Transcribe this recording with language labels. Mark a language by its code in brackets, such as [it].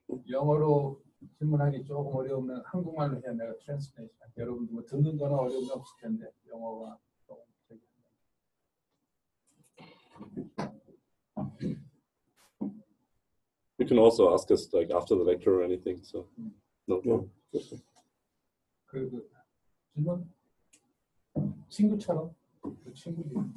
[ko] 영어로 질문하기 조금 어려우면 한국말로 해야 내가 트랜스레이션. 여러분들 뭐 듣는 거는 어려움이 없을 텐데 영어가 조금 되게 힘들어요. [en] You can also ask us like after the lecture or anything. So, no problem. [ko] 그 질문 친구처럼 그 친구지.